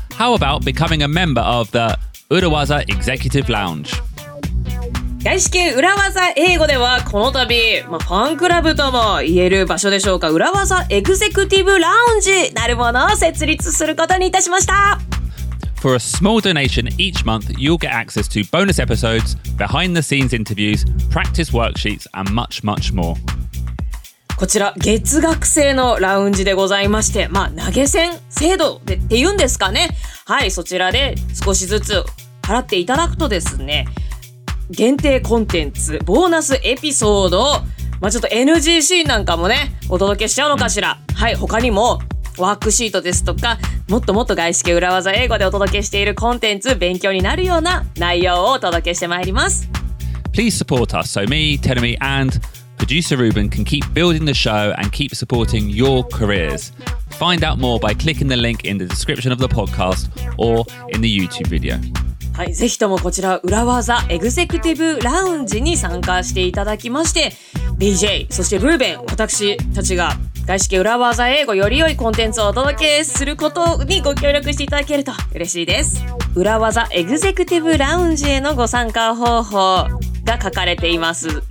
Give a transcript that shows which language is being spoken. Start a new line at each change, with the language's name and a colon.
English: How about becoming a member of the Urawaza Executive Lounge?
Japanese: 外資系裏技英語ではこの度、まあ、ファンクラブとも言える場所でしょうか、裏技エグゼクティブラウンジなるものを設立することにいたしました。
English: For a small donation each month, you'll get access to bonus episodes, behind the scenes interviews, practice worksheets, and much, much more.
Japanese: こちら月額制のラウンジでございまして、まあ投げ銭制度でっていうんですかね。はい、そちらで少しずつ払っていただくとですね、限定コンテンツ、ボーナスエピソード、まあちょっと NG シーンなんかもね、お届けしちゃうのかしら。はい、他にもワークシートですとか、もっともっと外資系裏技英語でお届けしているコンテンツ、勉強になるような内容をお届けしてまいります。
English: Please support us, so me, Terumi, andProducer Ruben can keep building the show and keep supporting your careers. Find out more by clicking the link in the description of the podcast or in the YouTube video.
Japanese: はい、ぜひともこちら裏技エグゼクティブラウンジに参加していただきまして、BJ、そして Ruben、私たちが外資系裏技英語より良いコンテンツをお届けすることにご協力していただけると嬉しいです。裏技エグゼクティブラウンジへのご参加方法が書かれています。